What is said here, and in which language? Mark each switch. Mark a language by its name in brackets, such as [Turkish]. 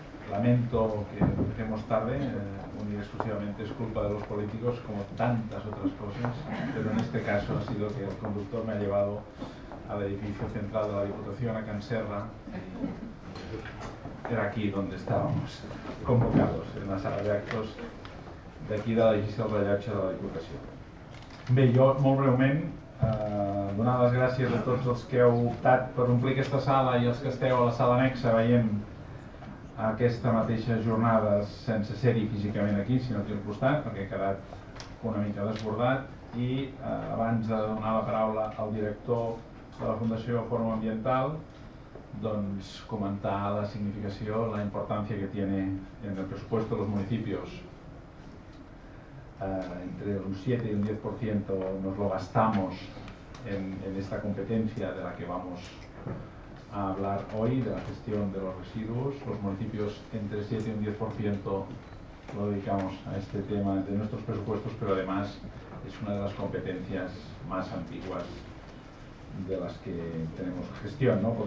[Spanish] Lamento que empecemos tarde, única y exclusivamente es culpa de los políticos, como tantas otras cosas, pero en este caso ha sido que el conductor me ha llevado al edificio central de la Diputación, a Can Serra, y era aquí donde estábamos convocados, en la sala de actos [Catalan] d'aquí de l'edifici del rellotge de la Diputació. Bé, jo, molt breument, donar les gràcies a tots els que heu optat per omplir aquesta sala i els que esteu a la sala annexa veient aquesta mateixa jornada sense ser-hi físicament aquí, sinó aquí al costat, perquè he quedat una mica desbordat. I abans de donar la paraula al director de la Fundació Fòrum Ambiental, doncs comentar la significació, la importància que té en el pressupost dels municipis. [Spanish] Entre un 7 y un 10% nos lo gastamos en esta competencia de la que vamos a hablar hoy, de la gestión de los residuos. Los municipios entre 7 y un 10% lo dedicamos a este tema de nuestros presupuestos, pero además es una de las competencias más antiguas de las que tenemos gestión, ¿no?